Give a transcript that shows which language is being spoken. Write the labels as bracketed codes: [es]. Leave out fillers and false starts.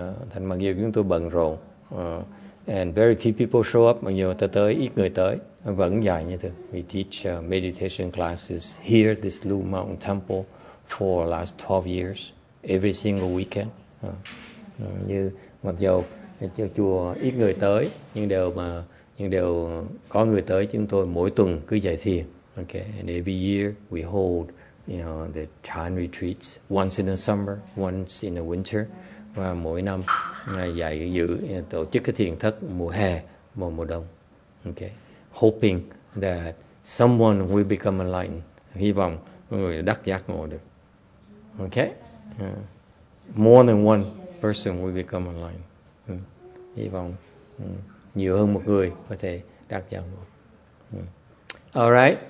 [vi] Thành mặc dù chúng tôi bận rộn, [en] and very few people show up, [vi] mặc dù tới ít người tới, vẫn dạy như thường. [en] We teach meditation classes here at this Lu Mountain Temple for the last 12 years, every single weekend. [vi] Như mặc dù chùa ít người tới, nhưng đều có người tới, chúng tôi mỗi tuần cứ dạy thiền. [en] Okay, and every year we hold, the Chan retreats, once in the summer, once in the winter. [vi] Và mỗi năm dạy dự tổ chức cái thiền thất mùa hè và mùa đông. Okay. [en] Hoping that someone will become enlightened. [vi] Hy vọng người đắc giác ngộ được. Okay? [en] More than one person will become enlightened. [vi] Hy vọng nhiều hơn một người có thể đắc giác ngộ. All right.